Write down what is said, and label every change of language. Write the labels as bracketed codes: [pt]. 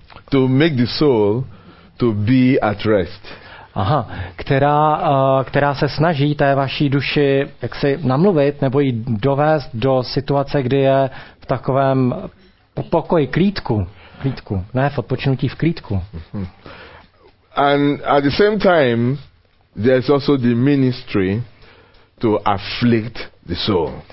[en] To make the soul to be at rest. [cs] Aha, která se snaží té vaší duši jaksi namluvit nebo ji dovést do situace, kdy je v takovém pokoji, klídku, ne, v odpočinutí v klídku. [en] And at the same time there's also the ministry to afflict the soul.